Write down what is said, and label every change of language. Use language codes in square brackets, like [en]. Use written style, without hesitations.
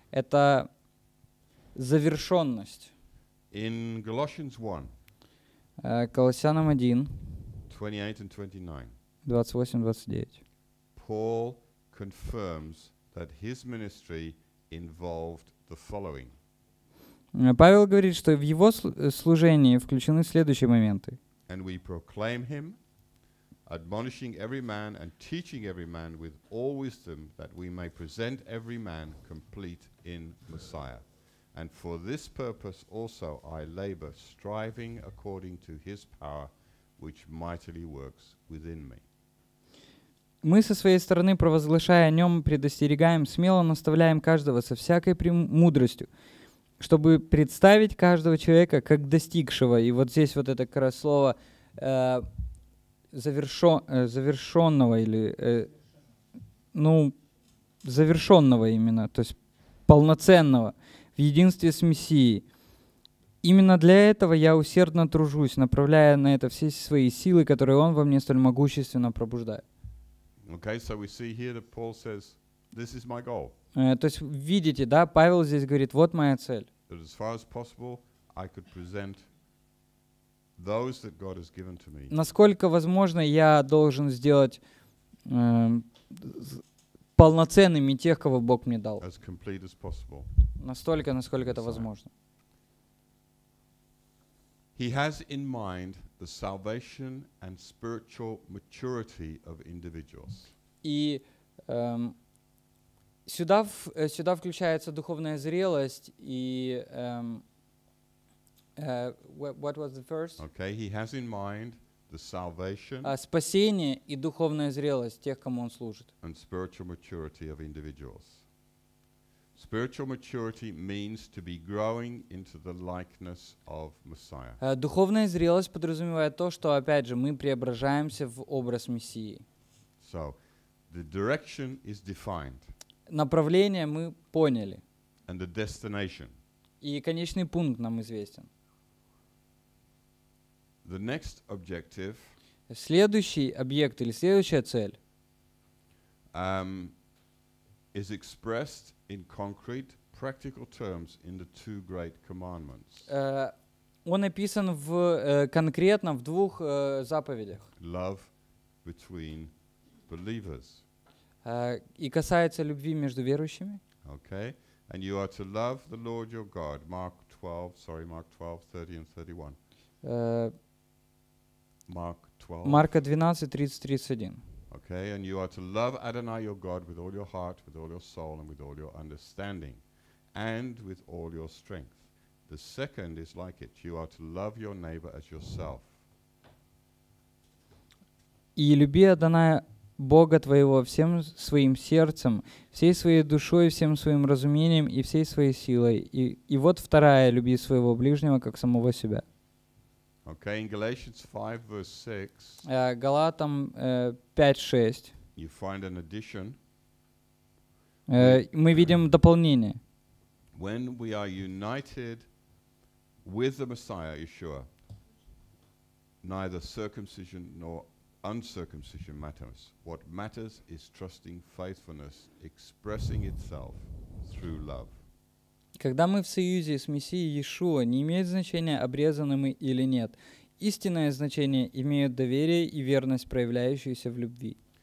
[ru] Это завершенность. [en] In Colossians 1. [ru] Колоссянам 1. [en] 28 and 29. [ru] 28-29. [en] Paul confirms that his ministry involved the following. [ru] Павел говорит, что в его служении включены следующие моменты. [en] And we proclaim him, admonishing every man and teaching every man with all wisdom that we may present every man complete in Messiah. And for this purpose also I labor, striving according to his power, which mightily works within me. [ru] Мы со своей стороны, провозглашая о нем, предостерегаем, смело наставляем каждого со всякой премудростью, чтобы представить каждого человека как достигшего, и вот здесь вот это как раз слово завершенного или завершенного именно, то есть полноценного в единстве с Мессией. Именно для этого я усердно тружусь, направляя на это все свои силы, которые он во мне столь могущественно пробуждает. [en] Okay, so we see here that Paul says, This is my goal. [ru] То есть видите, да, Павел здесь говорит, вот моя цель. [en] That as far as possible, I could present those that God has given to me. [ru] Насколько возможно, я должен сделать полноценными тех, кого Бог мне дал. [en] As complete as possible. [ru] Настолько, насколько это возможно. [en] He has in mind the salvation and spiritual maturity of individuals. [ru] И сюда включается духовная зрелость и [en] what was the first? Okay, he has in mind the salvation. [ru] Спасение и духовная зрелость тех, кому он служит. [en] And spiritual maturity of individuals. Spiritual maturity means to be growing into the likeness of Messiah. [ru] Духовная зрелость подразумевает то, что опять же мы преображаемся в образ Мессии. [en] So, the direction is defined. [ru] Направление мы поняли. [en] And the destination. [ru] И конечный пункт нам известен. [en] The next objective. [ru] Следующий объект или следующая цель. [en] Is expressed in concrete, practical terms in the two great commandments. [ru] Он описан в конкретно в двух заповедях. [en] Love between believers. [ru] И касается любви между верующими. [en] Okay, and you are to love the Lord your God. Mark 12:30-31. Марка 12:30-31. Okay, and you are to love Adonai your God with all your heart, with all your soul, and with all your understanding, and with all your strength. The second is like it. You are to love your neighbor as yourself. [ru] И люби Адоная Бога твоего всем своим сердцем, всей своей душой, всем своим разумением и всей своей силой. И вот вторая, люби своего ближнего, как самого себя. [en] Okay, in Galatians 5, verse 6, [ru] Галатам 5:6. [en] You find an addition. [ru] Мы видим дополнение. [en] When we are united with the Messiah, Yeshua, neither circumcision nor uncircumcision matters. What matters is trusting faithfulness, expressing itself through love. [ru] Когда мы в союзе с Мессией Иешуа, не имеет значения, обрезаны мы или нет. Истинное значение имеют доверие и верность, проявляющиеся в любви.